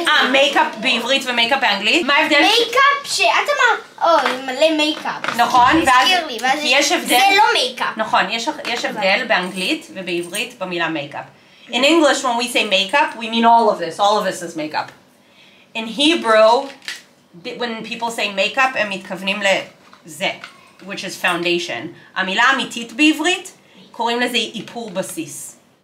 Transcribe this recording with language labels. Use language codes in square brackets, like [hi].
[he] מייקאפ בעברית ומייקאפ באנגלית. מה ההבדל? מייקאפ שאת אמרת, או, מלא מייקאפ. נכון, ויש הבדל. זה לא מייקאפ. נכון, יש הבדל באנגלית ובעברית במילה מייקאפ. [en] In English, when we say makeup, we mean all of this is makeup. In Hebrew, when people say makeup, [he] הם מתכוונים לזה, [en] which is foundation. [he] המילה האמיתית בעברית, קוראים לזה איפור בסיס.